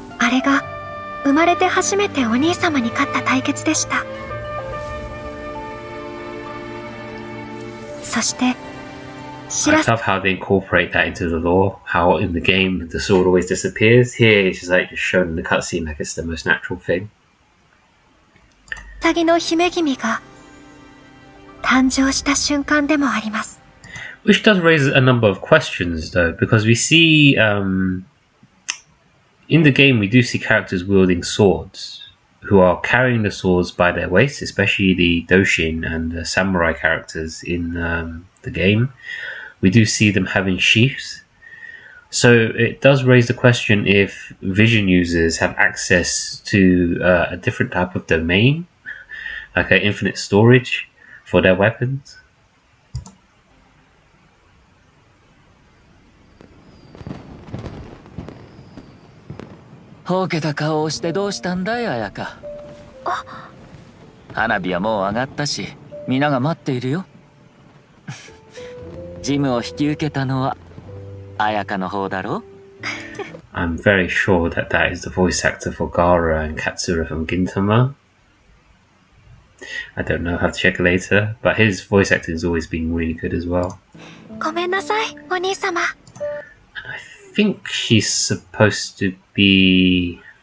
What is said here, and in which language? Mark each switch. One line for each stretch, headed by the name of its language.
Japanese: れが生まれて初めてお兄様に勝った対決でした。そして、
English: I love how they incorporate that into the lore. How in the game the sword always disappears. Here it's just like shown in the cutscene, like it's the most natural thing.
Japanese: サギの姫君が誕生した瞬間でもあります。
English: Which does raise a number of questions, though, because we see, in the game, we do see characters wielding swords, who are carrying the swords by their waist, especially the doshin and the samurai characters in the game. We do see them having sheaths. So it does raise the question if vision users have access to a different type of domain, like infinite storage for their weapons.
Japanese: ほうけた顔をしてどうしたんだい、アヤカ。あ、花火はもう上がったし、皆が待っているよ。ジムを引き受けたのは、アヤカの方だろう。
English: I'm very sure that that is the voice actor for Gaara and Katsura from Gintama. I don't know how to check later, but his voice acting has always been really good as well.
Japanese: ごめんなさい、お兄様。
English: I think she's supposed to be...